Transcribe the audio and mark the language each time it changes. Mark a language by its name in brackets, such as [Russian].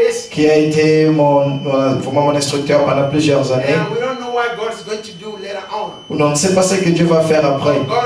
[French] Qui a été mon instructeur pendant plusieurs années. [English] And we don't know what God is going to do later on. [French] On ne sait pas ce que Dieu va faire après.